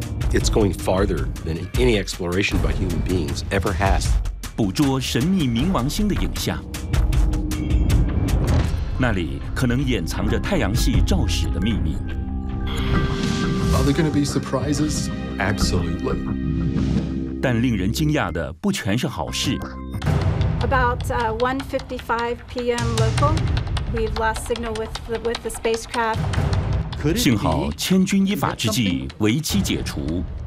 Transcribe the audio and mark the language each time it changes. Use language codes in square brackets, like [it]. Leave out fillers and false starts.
[en] It's going farther than any exploration by human beings ever has. [zh] 捕捉神秘冥王星的影像。那里可能掩藏着太阳系肇始的秘密。 [en] Are there going to be surprises? Absolutely. [zh] 但令人惊讶的不全是好事。 [en] About 1:55 p.m. local, we've lost signal with the spacecraft. [zh] 幸好千钧一发之际，危机解除。